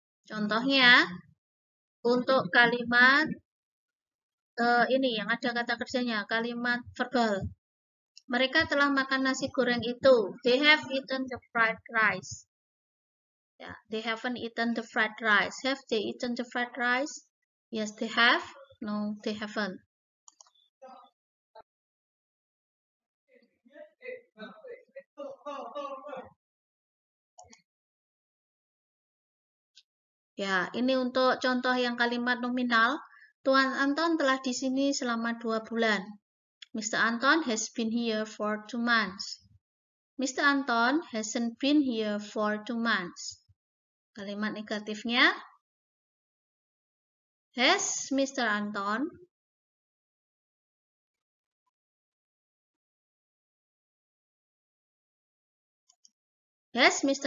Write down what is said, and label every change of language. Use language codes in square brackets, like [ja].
[id] Contohnya, untuk kalimat ini yang ada kata kerjanya, kalimat verbal. Mereka telah makan nasi goreng itu. [en] They have eaten the fried rice. Yeah, they haven't eaten the fried rice. Have they eaten the fried rice? Yes, they have. No, they haven't. [id] Ya, ini untuk contoh yang kalimat nominal. Tuan Anton telah di sini selama 2 bulan. Mr. [en] Anton has been here for 2 months. Mr. Anton hasn't been here for 2 months. [id] Kalimat negatifnya, has Mr. [en] Anton Has Mr.